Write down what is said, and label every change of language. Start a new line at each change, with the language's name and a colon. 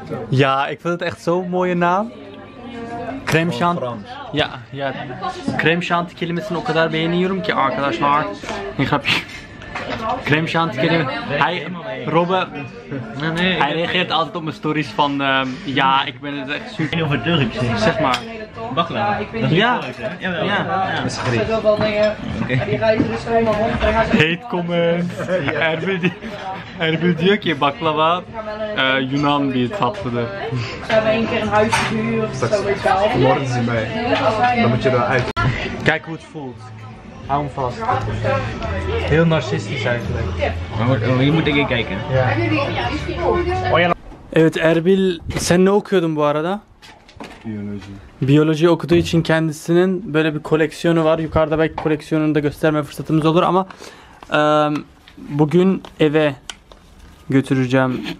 Dutch: Ja, ik vind het echt zo'n mooie naam. Creme chantilly. Ja, ja.
Turkish: Creme chantilly kelimesini o kadar beğeniyorum ki arkadaşlar. Ne yapayım? Creme chantilly kelimesi. Hij, Robbe.
Dutch: Hij reageert altijd op mijn stories van ja, ik ben het echt super. Ik weet niet of het Turks is. Zeg maar. Baklava. Ja, ja, ja.
English: Hate comments.
Turkish: Erbil diyor ki baklava Yunan bir tatlıdır.
Dutch: Ze hebben een keer een huisje gehuurd. Worden ze mee. Dan moet je eruit. Kijk hoe het voelt. Hou hem vast. Heel narcistisch eigenlijk. Hier moet ik in kijken.
Turkish: Evet Erbil, sen ne okuyordun bu arada? Biyoloji. Biyoloji okuduğu için kendisinin böyle bir koleksiyonu var. Yukarıda belki koleksiyonunu da gösterme fırsatımız olur ama bugün eve götüreceğim.